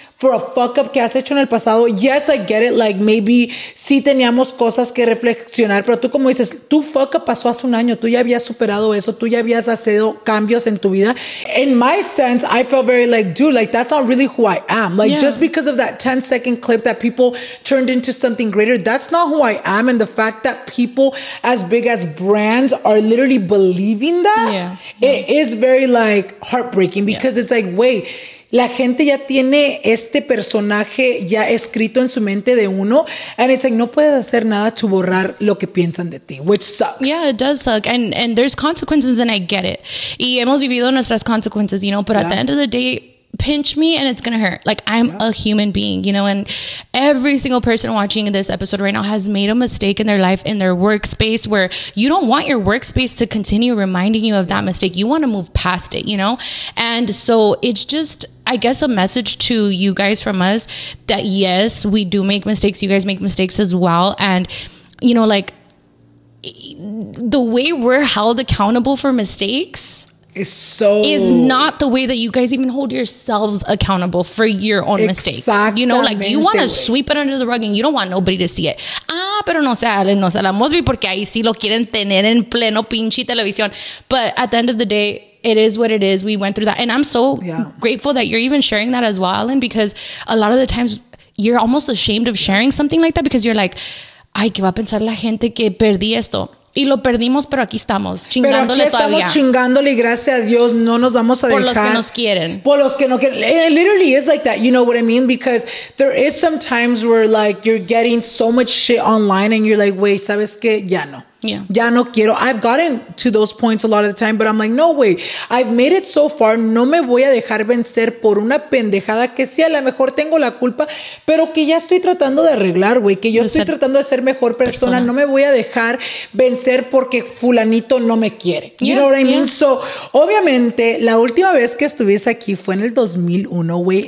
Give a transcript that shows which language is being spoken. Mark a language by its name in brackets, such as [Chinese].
[English] For a fuck up [Spanish] que has hecho en el pasado. [English] Yes, I get it. Like, maybe [Spanish] sí teníamos cosas que reflexionar. Pero tú, como dices, tu fuck up pasó hace un año. Tú ya habías superado eso. Tú ya habías hecho cambios en tu vida. [English] In my sense, I felt very like, dude, like, that's not really who I am. Like, just because of that 10-second clip that people turned into something greater, that's not who I am. And the fact that people as big as brands are literally believing that, it is very, like, heartbreaking. Because it's like, wait... [Spanish] La gente ya tiene este personaje ya escrito en su mente de uno. [English] And it's like, [Spanish] no puedes hacer nada to borrar lo que piensan de ti, [English] which sucks. Yeah, it does suck. And there's consequences, and I get it. [Spanish] Y hemos vivido nuestras consecuencias, [English] you know. But at the end of the day, pinch me and it's going to hurt. Like, I'm a human being, you know. And every single person watching this episode right now has made a mistake in their life, in their workspace, where you don't want your workspace to continue reminding you of that mistake. You want to move past it, you know. And so it's just... I guess a message to you guys from us that, yes, we do make mistakes. You guys make mistakes as well. And, you know, like, the way we're held accountable for mistakes is not the way that you guys even hold yourselves accountable for your own mistakes. You know, like, you want to sweep it under the rug and you don't want nobody to see it. [Spanish] Pero no sea, no sea la Mosby, porque ahí sí lo quieren tener en pleno pinche televisión. [English] But at the end of the day, it is what it is. We went through that. And I'm so grateful that you're even sharing that as well, Alan, because a lot of the times you're almost ashamed of sharing something like that, because you're like, [Spanish] ay, que va a pensar la gente que perdí esto. Y lo perdimos, pero aquí estamos, chingándole todavía. Pero aquí estamos chingándole y gracias a Dios no nos vamos a dejar. Por los que nos quieren. Por los que no quieren. [English] It literally is like that. You know what I mean? Because there is sometimes where like you're getting so much shit online and you're like, wait, [Spanish] ¿sabes qué? Ya no. [English] Yeah. [Spanish] Ya no quiero. [English] I've gotten to those points a lot of the time, but I'm like, no way. I've made it so far. [Spanish] No me voy a dejar vencer por una pendejada que sí, a lo mejor tengo la culpa, pero que ya estoy tratando de arreglar, güey. Que yo estoy tratando de ser mejor persona. No me voy a dejar vencer porque fulanito no me quiere. [English] Yeah, you know what I mean? [Spanish] So, obviamente, la última vez que estuviste aquí fue en el 2001, güey.